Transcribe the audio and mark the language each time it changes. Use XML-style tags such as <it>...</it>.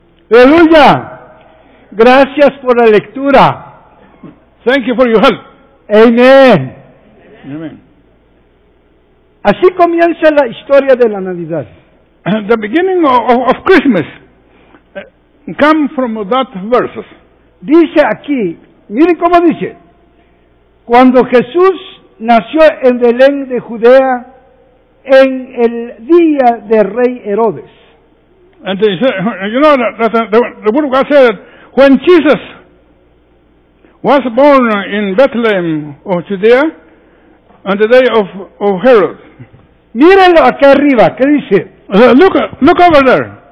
<es>Aleluya. Gracias por la lectura.</es> <en>Thank you for your help. Amen. Amen.</en> <es>Así comienza la historia de la Navidad.</es> <en>The beginning of Christmas come from that verse.</en> <es>Dice aquí, miren cómo dice. Cuando Jesús nació en Belén de Judea en el día de rey Herodes.</es> <en>And they say, you know, that the word of God said that when Jesus was born in Bethlehem of Judea on the day of Herod.</en> <es>Mírenlo acá arriba, ¿qué dice?</es> <en>Look over there.</en>